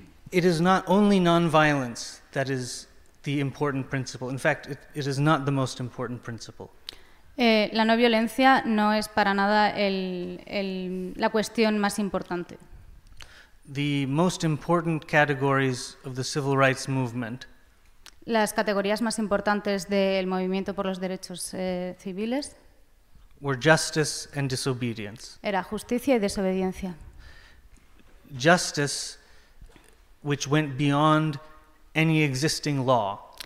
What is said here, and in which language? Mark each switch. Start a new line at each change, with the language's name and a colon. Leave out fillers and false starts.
English: It is not only non-violence that is the important principle. In fact, it is not the most important principle.
Spanish: La no violencia no es para nada la cuestión más importante.
English: The most important categories of the civil rights movement.
Spanish: Las categorías más importantes del movimiento por los derechos civiles.
English: Were justice and disobedience.
Spanish: Era justicia y desobediencia.
English: Justice, which went beyond any existing law.